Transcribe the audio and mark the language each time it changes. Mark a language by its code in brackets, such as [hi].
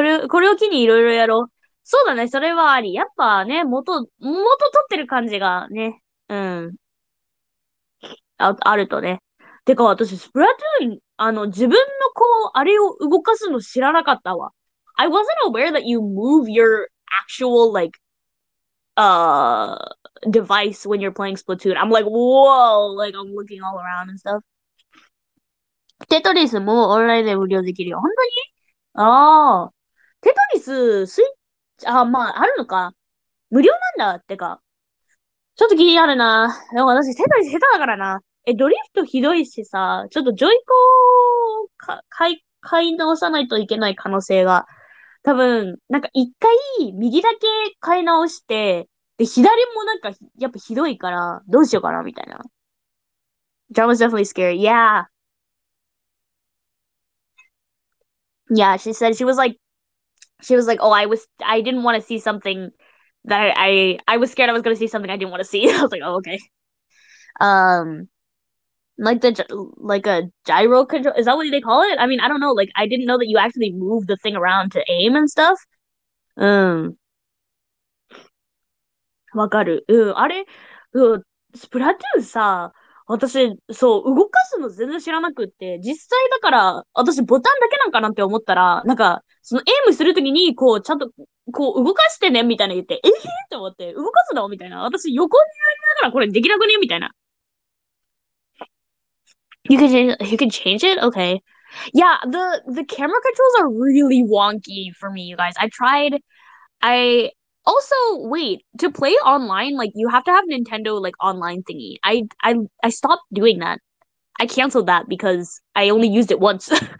[ja] これを機にいろいろやろう。そうだね、それはあり。やっぱね、元取ってる感じがね、あるとね。てか私、スプラトゥーン、自分のこう、あれを動かすの知らなかったわ。 [en] I wasn't aware that you move your actual, like, device when you're playing Splatoon. I'm like, whoa, like, I'm looking all around and stuff. [ja] テトリスもオンラインで無料できるよ。本当に?ああ。テトリス、あ、まあ、あるのか。無料なんだってか。ちょっと気になるな。でも私、テトリス下手だからな。ドリフトひどいしさ、ちょっとジョイコを買い直さないといけない可能性が多分、なんか一回、右だけ変え直して、で、左もなんか、やっぱひどいから、どうしようかな、みたいな。 [en] Drama's definitely scary. Yeah. Yeah, she said she was like, oh, I didn't want to see something that I was scared I was going to see something I didn't want to see. I was like, oh, okay. Like a gyro control. Is that what they call it? I mean, I don't know. Like, I didn't know that you actually move the thing around to aim and stuff. [ja] わかる。あれ、スプラトゥーンさ、私、そう、動かすの全然知らなくって、実際だから、私ボタンだけなんかなって思ったら、なんか、そのエイムするときに、こう、ちゃんと、こう、動かしてね、みたいな言って、えへへって思って、動かすの?みたいな。私、横になりながらこれできなくね?みたいな。 [en] You can change it? Okay. Yeah, the camera controls are really wonky for me, you guys. I tried, I, Also, wait, to play online, like you have to have Nintendo like online thingy. I stopped doing that. I canceled that because I only used it once.